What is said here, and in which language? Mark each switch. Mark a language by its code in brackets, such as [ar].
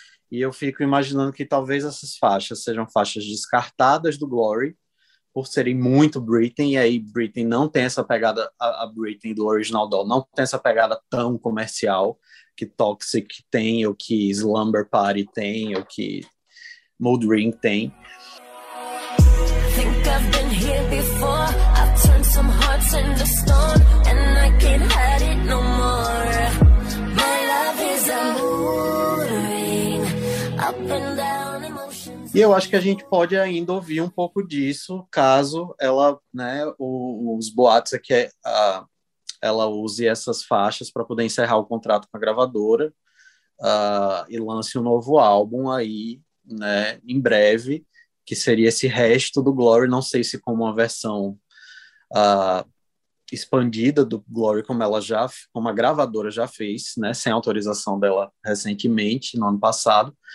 [pt] E eu fico imaginando que talvez essas faixas sejam faixas descartadas do Glory, por serem muito Britney, e aí Britney não tem essa pegada, a Britney do Original Doll não tem essa pegada tão comercial que Toxic tem, ou que Slumber Party tem, ou que Mood Ring tem. [en] Think I've been here before. I've turned some hearts into stone, and I can't hide it no more. My love is a mood ring, up and down. [pt] E eu acho que a gente pode ainda ouvir um pouco disso, caso ela, né, os boatos é que ela use essas faixas para poder encerrar o contrato com a gravadora e lance um novo álbum aí, né, em breve, que seria esse resto do Glory, não sei se como uma versão expandida do Glory, como a gravadora já fez, né, sem autorização dela recentemente, no ano passado.